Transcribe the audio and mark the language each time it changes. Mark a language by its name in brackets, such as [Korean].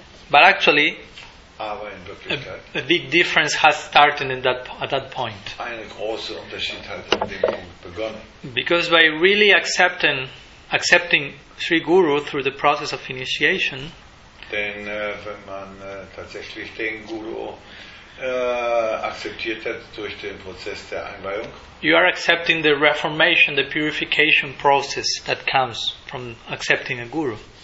[English] But actually, a big difference has started at that point. Because by really accepting Sri Guru through the process of initiation. [German] Denn wenn man tatsächlich den Guru akzeptiert hat durch den Prozess der Einweihung. [English] You are accepting the reformation, the purification process that comes from accepting a Guru.